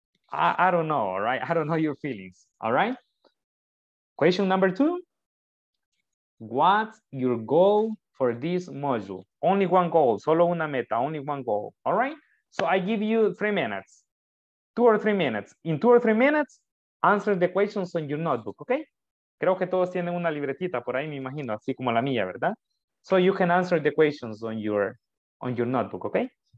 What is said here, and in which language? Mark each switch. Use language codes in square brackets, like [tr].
[en] I don't know, all right? I don't know your feelings, all right? Question number two, what's your goal for this module? Only one goal, [es] solo una meta, [en] only one goal, all right? So I give you 3 minutes. 2 or 3 minutes. In 2 or 3 minutes, answer the questions on your notebook, okay? [es] Creo que todos tienen una libretita por ahí, me imagino, así como la mía, ¿verdad? [en] So you can answer the questions on your notebook, okay?